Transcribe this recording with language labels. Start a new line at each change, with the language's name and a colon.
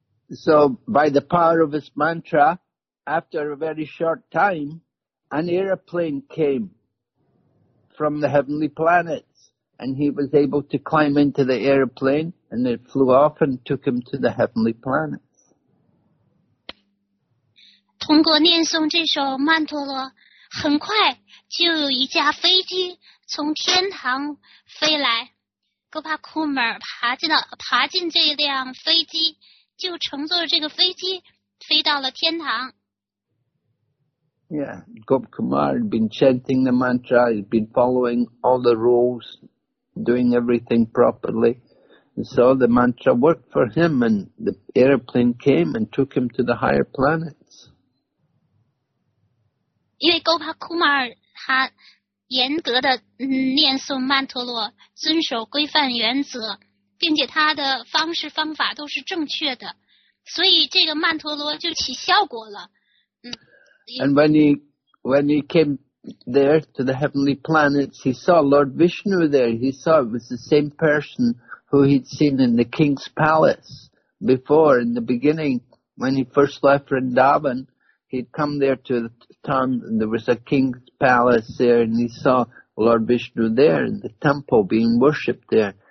English: So, by the power of his mantra, after a very short time,An aeroplane came from the heavenly planets, and he was able to climb into the aeroplane, and it flew off and took him to the heavenly planets.
Chinese: 通过念诵这首曼陀罗，很快就有一架飞机从天堂飞来。 Gopakumar 爬进这辆飞机，就乘坐这个飞机飞到了天堂。
English: Yeah, Gopakumar had been chanting the mantra, he'd been following all the rules, doing everything properly. And so the mantra worked for him, and the airplane came and took him to the higher planets.
Chinese: 因为 Gopakumar 他严格的念诵曼陀罗，遵守规范原则，并且他的方式方法都是正确的，所以这个曼陀罗就起效果了。
English: And when he came there to the heavenly planets, he saw Lord Vishnu there. He saw it was the same person who he'd seen in the king's palace before. In the beginning, when he first left Vrindavan, he'd come there to the town, and there was a king's palace there, and he saw Lord Vishnu there in the temple being worshipped there.